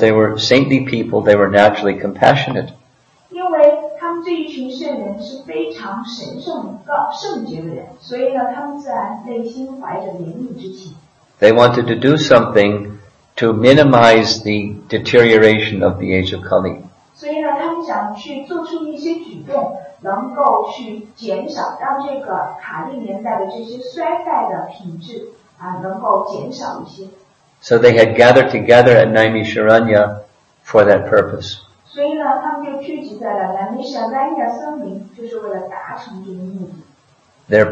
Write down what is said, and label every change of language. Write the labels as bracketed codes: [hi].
[en] they were saintly people, they were naturally compassionate. [zh] 因为他们这一群圣人是非常神圣、圣洁的人，所以呢，他们自然内心怀着怜悯之情。 [en] They wanted to do something to minimize the deterioration of the age of Kali. [zh] 所以呢，他们想去做出一些举动，能够去减少，让这个卡利年代的这些衰败的品质啊，能够减少一些。 [en] So they had gathered together at Naimisharanya for that purpose. [zh] 所以呢，他们就聚集在了南尼沙丹亚森林，就是为了达成这个目的。 [en] Their